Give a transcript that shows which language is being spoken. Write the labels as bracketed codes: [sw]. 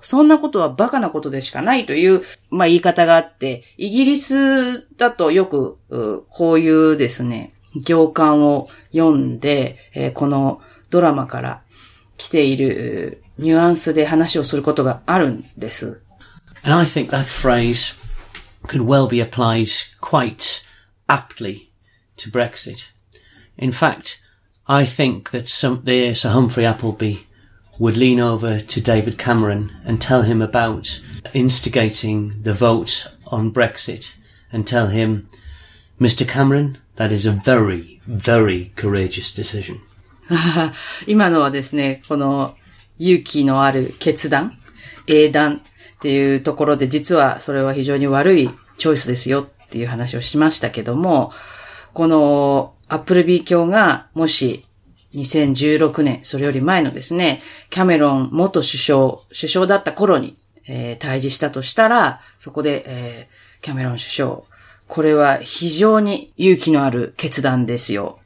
[ja] そんなことはバカなことでしかないという、まあ言い方があって、イギリスだとよく、こういうですね、行間を読んで、このドラマから来ているニュアンスで話をすることがあるんです。 [en] And I think that phrase could well be applied quite aptly to Brexit. In fact, I think that Sir Humphrey Appleby would lean over to David Cameron and tell him about instigating the vote on Brexit and tell him, Mr. Cameron,That is a very, very courageous decision. [ja] 今のはですね、この勇気のある決断、英断っていうところで、実はそれは非常に悪いチョイスですよっていう話をしましたけども、このアップルビー教がもし2016年、それより前のですね、キャメロン元首相だった頃に、退治したとしたら、そこで、キャメロン首相、これは非常に勇気のある決断ですよ。